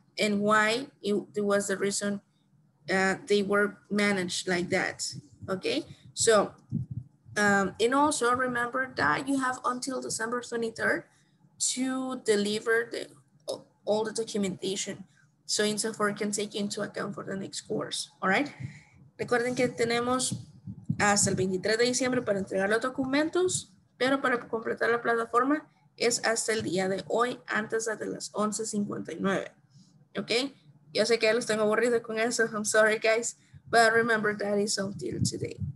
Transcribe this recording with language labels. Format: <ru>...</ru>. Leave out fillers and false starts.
<en>And why it was the reason they were managed like that, okay? So, and also remember that you have until December 23rd to deliver all the documentation. So INSAFORP can take into account for the next course, all right?</en> <es>Recuerden que tenemos hasta el 23 de diciembre para entregar los documentos. Pero para completar la plataforma es hasta el día de hoy, antes de las 11:59. Ok, yo sé que ya los tengo aburrido con eso.</es> <en>I'm sorry, guys, but remember that is until today.</en>